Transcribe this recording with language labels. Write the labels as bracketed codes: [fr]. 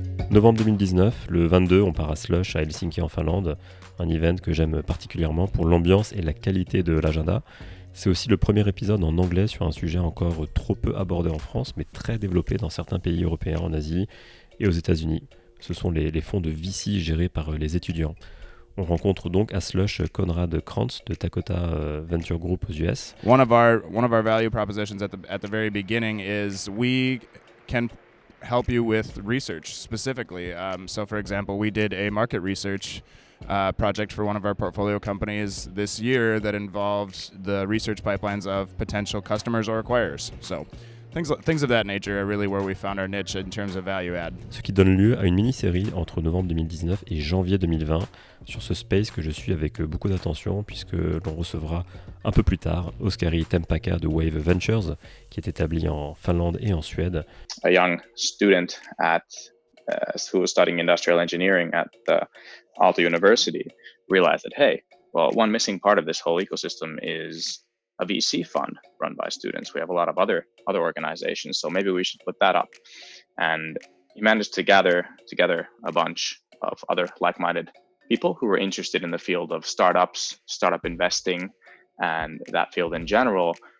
[fr] Novembre 2019, le 22, on part à Slush, à Helsinki en Finlande, un event que j'aime particulièrement pour l'ambiance et la qualité de l'agenda. C'est aussi le premier épisode en anglais sur un sujet encore trop peu abordé en France, mais très développé dans certains pays européens, en Asie et aux États-Unis. Ce sont les fonds de VC gérés par les étudiants. On rencontre donc à Slush Konrad Krantz de Takota Venture Group aux US. [en] One of our value propositions at the very beginning is we can help you with research specifically. So for example, we did a market research project for one of our portfolio companies this year that involved the research pipelines of potential customers or acquirers. So things of that nature are really where we found our niche in terms of value add. [fr] Ce qui donne lieu à une mini-série entre novembre 2019 et janvier 2020 sur ce space que je suis avec beaucoup d'attention puisque l'on recevra un peu plus tard Oskari Tempaka de Wave Ventures qui est établi en Finlande et en Suède. [en] A young student at who was studying industrial engineering at the Aalto University, realized that, hey, well, one missing part of this whole ecosystem is a VC fund run by students. We have a lot of other organizations, so maybe we should put that up. And he managed to gather together a bunch of other like-minded people who were interested in the field of startups, startup investing, and that field in general.